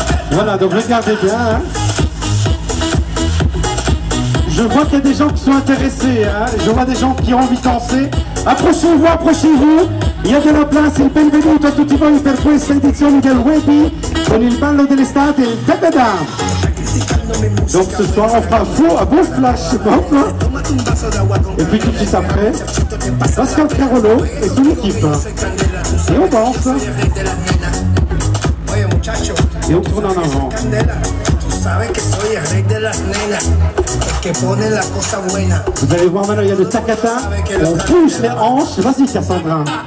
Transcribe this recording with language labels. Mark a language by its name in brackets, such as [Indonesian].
[French] Voilà, donc regardez bien. Hein. Je vois qu'il y a des gens qui sont intéressés. Hein. Je vois des gens qui ont envie de danser. Approchez-vous, approchez-vous. Il y a de la place. [Italian] Il benvenuto a tutti voi per questa edizione del Webby con il ballo dell'estate. Da-da-da. [French] Donc ce soir, on fera fou à beau flash. Et puis tout de suite après, Pascal Carolo et son équipe. Et on danse. [Spanish] Y otro no candela, tú sabes que soy el rey de las nenas, el que pone la cosa buena. [French] Vous allez voir maintenant, il y a le tacata, on pousse les hanches, vas-y Cassandra.